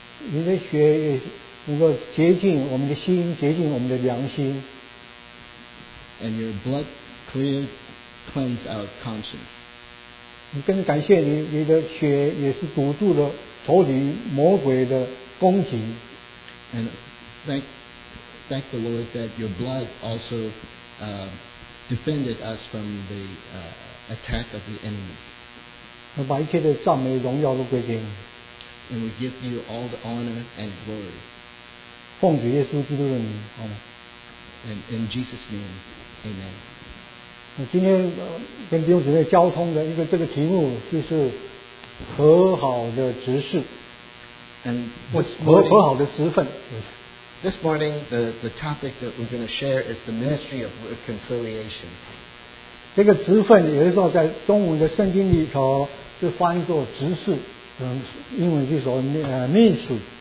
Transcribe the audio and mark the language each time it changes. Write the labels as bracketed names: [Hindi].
[Chinese] 你的血也能够洁净我们的心，洁净我们的良心。 [English] And your blood cleanses our conscience. [Chinese] 我更感谢你，你的血也是堵住了头顶魔鬼的攻击。 [English] And thank the Lord that your blood also defended us from the attack of the enemies. [Chinese] 我把一切的赞美荣耀都归给你。 [English] And we give you all the honor and glory. [Chinese] 奉主耶稣基督的名，好吗？ [English] And in Jesus' name, Amen. [Chinese] 今天跟弟兄姊妹交通的一个这个题目就是和好的执事 [English] and [Chinese] morning, 和好的职分。 [English] This morning the topic that we're going to share is the ministry of reconciliation. [Chinese] 这个职分有的时候在中文的圣经里头就翻作执事，英文就说秘书。